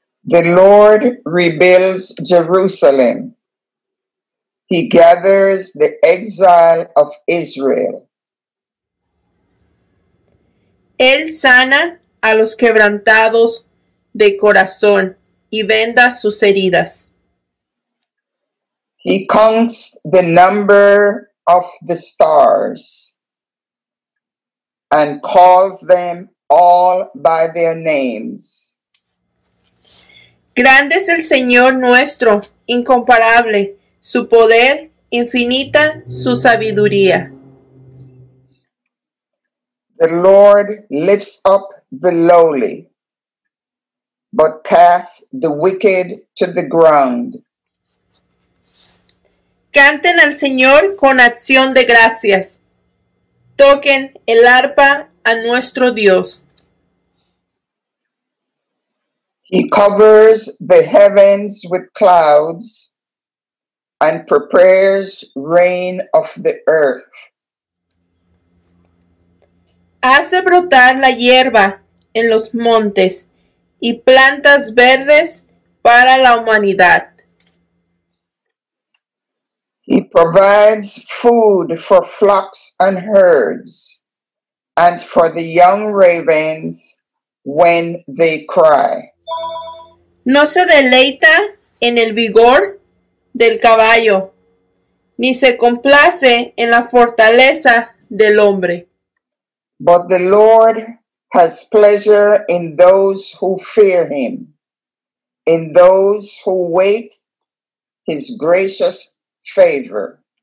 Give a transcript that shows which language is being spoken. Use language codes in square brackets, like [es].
[en] The Lord rebuilds Jerusalem. He gathers the exile of Israel. [es] Él sana a los quebrantados de corazón y venda sus heridas. [en] He counts the number of the stars and calls them all by their names. [es] Grande es el Señor nuestro, incomparable, su poder, infinita, su sabiduría. [en] The Lord lifts up the lowly, but casts the wicked to the ground. [es] Canten al Señor con acción de gracias. Toquen el arpa a nuestro Dios. [en] He covers the heavens with clouds and prepares rain of the earth. [es] Hace brotar la hierba en los montes y plantas verdes para la humanidad. [en] He provides food for flocks and herds and for the young ravens when they cry. [es] No se deleita en el vigor del caballo, ni se complace en la fortaleza del hombre. [en] But the Lord has pleasure in those who fear him, in those who wait his gracious favor.